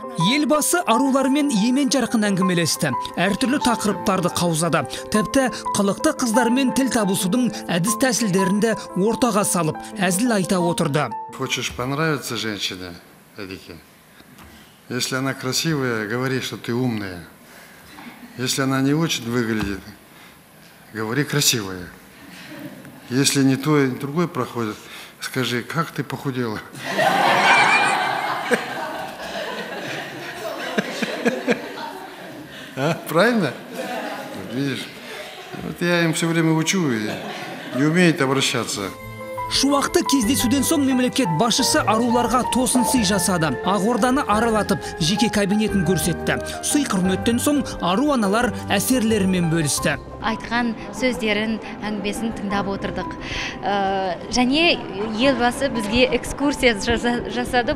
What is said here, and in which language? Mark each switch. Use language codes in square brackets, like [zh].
[kk] Елбасы арулармен емен жарқын әңгімелесті. Әртүрлі тақырыптарды қаузады. Тіпті қылықты қыздармен тіл табысудың әдіс тәсілдерінде ортаға салып, әзіл айта отырды. [ru] Хочешь понравиться женщине, Эдике? Если она красивая, говори, что ты умная. Если она не очень выглядит, говори красивая. Если не то, не другое проходит, скажи, как ты похудела? А, правильно? Видишь? Вот я им все время учу и умеют обращаться. [kk] Шуақты кездесуден соң мемлекет басшысы аруларға тосын сый жасады. Ақорданы аралатып, жеке кабинетін көрсетті. Сый құрметтен соң ару аналар әсерлерімен бөлісті. Айтқан сөздерін, әңгімесін тыңдап отырдық. Және елбасы бізге экскурсия жасады.